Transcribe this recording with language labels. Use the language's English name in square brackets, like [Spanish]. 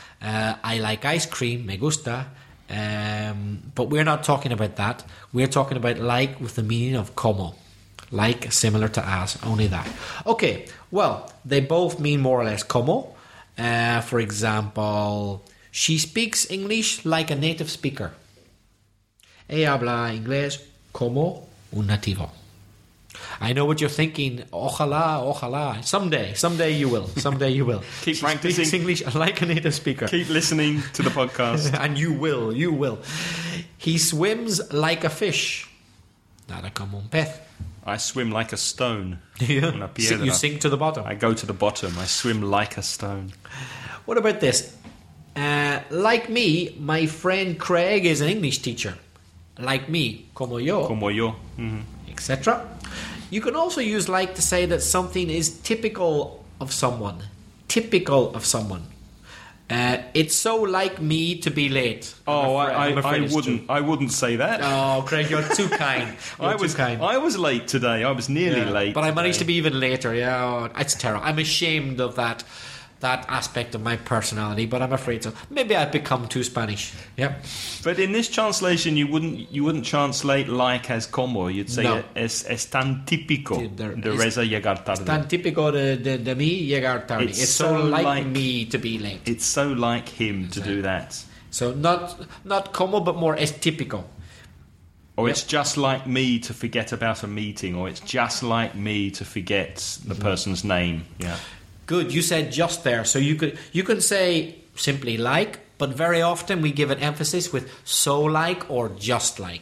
[English] I like ice cream, [Spanish] me gusta. [English] But we're not talking about that. We're talking about like with the meaning of como. Like, similar to as, only that. Okay, well, they both mean more or less como. For example, she speaks English like a native speaker. [Spanish] Ella habla inglés como un nativo. [English] I know what you're thinking. [Spanish] Ojalá, ojalá. [English] Someday you will. Someday you will. Keep she practicing. Speaks English like a native speaker. Keep listening to the podcast. And you will. He swims like a fish. [Spanish] Nada como un pez. [English] I swim like a stone. Yeah. You sink to the bottom. I go to the bottom. I swim like a stone. What about this? Like me, my friend Craig is an English teacher. Like me, [Spanish] como yo. Como yo. Mm-hmm. [English] Etc. You can also use like to say that something is typical of someone. Typical of someone. It's so like me to be late. I wouldn't say that. Oh, Craig, you're too kind. You're too kind. I was late today. I was nearly late. But I managed to be even later. Yeah, it's terrible. I'm ashamed of that aspect of my personality, but I'm afraid so. Maybe I've become too Spanish. Yeah. But in this translation, you wouldn't translate like as como. You'd say [Spanish] es tan típico de Reza llegar tarde. Es tan típico de mí llegar tarde. [English] It's so like me to be late. It's so like him to do that. So not como, but more [Spanish] es típico. [English] Or it's just like me to forget about a meeting, or it's just like me to forget the person's name. Yeah. Good, you said just there. So you can say simply like, but very often we give it emphasis with so like or just like.